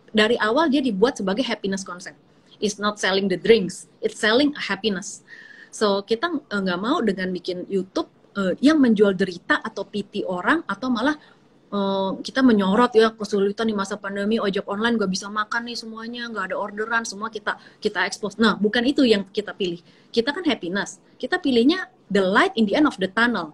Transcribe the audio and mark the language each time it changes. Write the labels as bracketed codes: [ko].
[id] Dari awal dia dibuat sebagai happiness concept. [en] It's not selling the drinks, it's selling a happiness. [id] So kita nggak mau dengan bikin YouTube yang menjual derita atau pity orang, atau malah kita menyorot ya kesulitan di masa pandemi, ojek online gak bisa makan nih semuanya, gak ada orderan, semua kita expose. Nah, bukan itu yang kita pilih. Kita kan happiness. Kita pilihnya [en] the light in the end of the tunnel.